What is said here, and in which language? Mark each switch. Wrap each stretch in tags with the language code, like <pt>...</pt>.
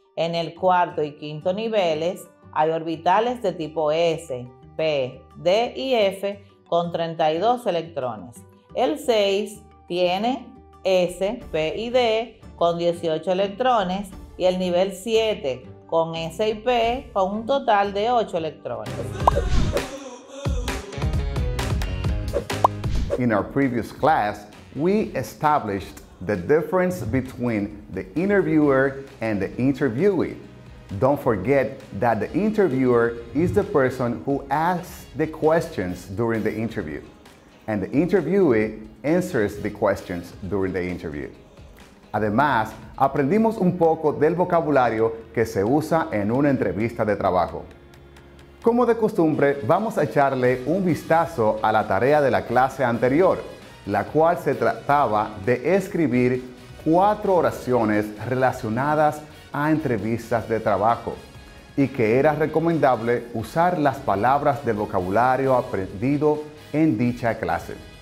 <es>En el cuarto y quinto niveles, hay orbitales de tipo S, P, D y F con 32 electrones. El 6 tiene S, P y D con 18 electrones y el nivel 7 con S y P con un total de 8 electrones.</es> <en>In our previous class, we established the difference between the interviewer and the interviewee. Don't forget that the interviewer is the person who asks the questions during the interview, and the interviewee answers the questions during the interview.</en> <es>Además, aprendimos un poco del vocabulario que se usa en una entrevista de trabajo. Como de costumbre, vamos a echarle un vistazo a la tarea de la clase anterior, la cual se trataba de escribir 4 oraciones relacionadas a entrevistas de trabajo y que era recomendable usar las palabras del vocabulario aprendido en dicha clase.</es>